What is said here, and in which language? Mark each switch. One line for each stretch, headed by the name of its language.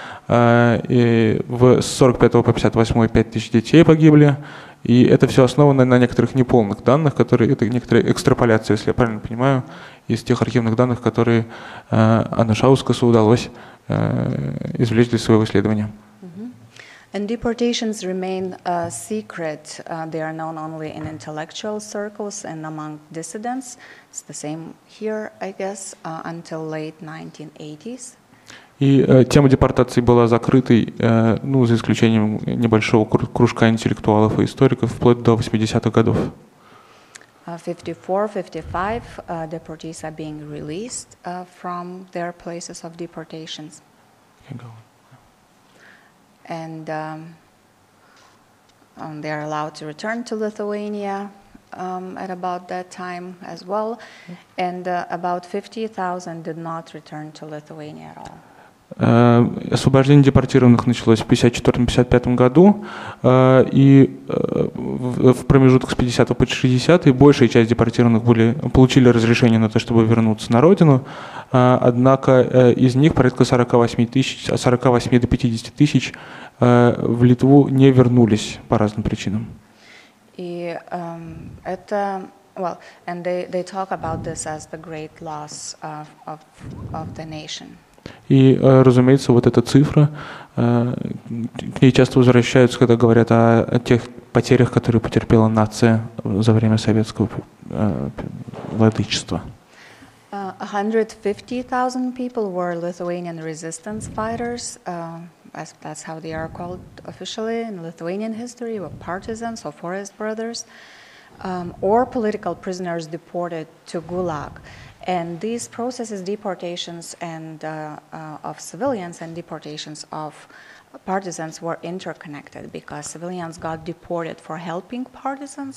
Russian: И с 1945 по 1958 5 тысяч детей погибли. И это все основано на некоторых неполных данных, которые это некоторые экстраполяции, если я правильно понимаю, из тех архивных данных, которые Анушаускасу удалось извлечь для своего исследования.
English: And deportations remain a secret. They are known only in intellectual circles and among dissidents. It's the same here, I guess, until late 1980s.
Russian: И тема депортации была закрытой, ну, за исключением небольшого кружка интеллектуалов и историков, вплоть до 80-х годов.
English: 54-55 deportees are being released from their places of deportations. And they are allowed to return to Lithuania at about that time as well. And about 50,000 did not return to Lithuania at all.
Russian: Освобождение депортированных началось в 54-55 году, и в промежутках с 50 по 60 большая часть депортированных получили разрешение на то, чтобы вернуться на родину, однако из них порядка 48 до 50 тысяч в Литву не вернулись по разным причинам. И это...
English: Well, and they talk about this as the great loss of the nation.
Russian: И, разумеется, вот эта цифра, к ней часто возвращаются, когда говорят о тех потерях, которые потерпела нация за время советского владычества.
English: 150,000 people were Lithuanian resistance fighters, as that's how they are called officially in Lithuanian history, were partisans or forest brothers, or political prisoners deported to Gulag. And these processes, deportations and of civilians and deportations of partisans were interconnected because civilians got deported for helping partisans.